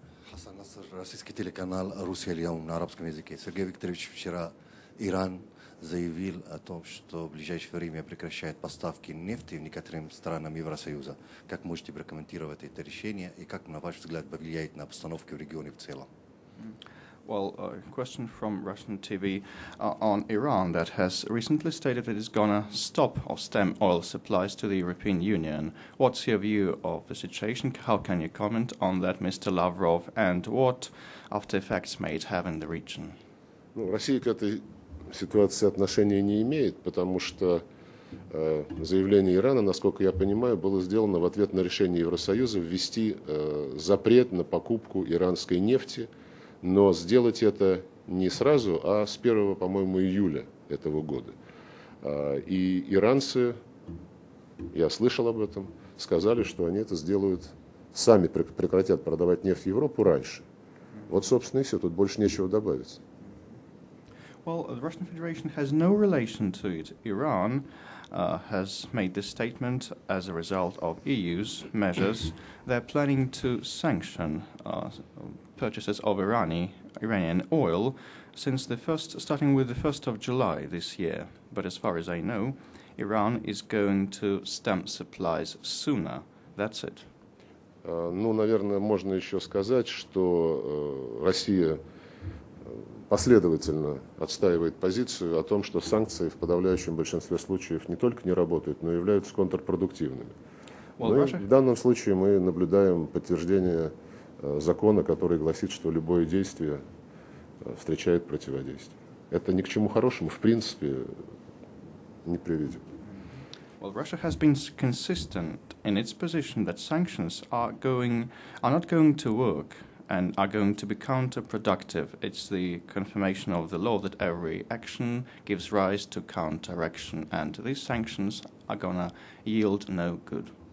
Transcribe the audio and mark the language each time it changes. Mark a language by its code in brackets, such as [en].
[ru] Хасан Насар, российский телеканал «Русьэльяум» на арабском языке. Сергей Викторович, вчера Иран заявил о том, что в ближайшее время прекращает поставки нефти некоторым странам Евросоюза. Как можете прокомментировать это решение и как, на ваш взгляд, повлияет на обстановку в регионе в целом? [en] Well, a question from Russian TV on Iran that has recently stated that it's going to stop or stem oil supplies to the European Union. What's your view of the situation? How can you comment on that, Mr. Lavrov? And what after effects may it have in the region? [ru] Ну, Россия к этой ситуация отношения не имеет, потому что заявление Ирана, насколько я понимаю, было сделано в ответ на решение Евросоюза ввести запрет на покупку иранской нефти, но сделать это не сразу, а с 1, по-моему, июля этого года. И иранцы, я слышал об этом, сказали, что они это сделают, сами прекратят продавать нефть в Европу раньше. Вот, собственно, и все, тут больше нечего добавить. [en] Well, the Russian Federation has no relation to it. Iran has made this statement as a result of EU's measures. They're planning to sanction purchases of Iranian oil starting with the 1st of July this year. But as far as I know, Iran is going to stem supplies sooner. That's it. [ru] Ну, наверное, можно еще сказать, что Россия последовательно отстаивает позицию о том, что санкции в подавляющем большинстве случаев не только не работают, но и являются контрпродуктивными. Но в данном случае мы наблюдаем подтверждение закона, который гласит, что любое действие встречает противодействие. Это ни к чему хорошему, в принципе, не приведет. [en] Well, Russia has been consistent in its position that sanctions are not going to work and are going to be counterproductive. It's the confirmation of the law that every action gives rise to counteraction, and these sanctions are going to yield no good.